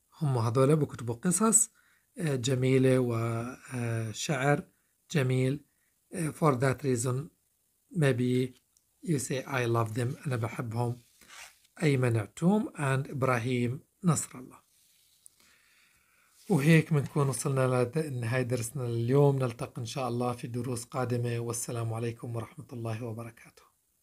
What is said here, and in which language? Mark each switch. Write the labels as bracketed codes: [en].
[ar] هم هذولا بكتبوا قصص جميلة وشعر جميل. [en] For that reason maybe you say I love them. [ar] أنا بحبهم. أيمن العتوم and إبراهيم نصر الله. وهيك بنكون وصلنا لنهاية درسنا اليوم. نلتقي إن شاء الله في دروس قادمة، والسلام عليكم ورحمة الله وبركاته.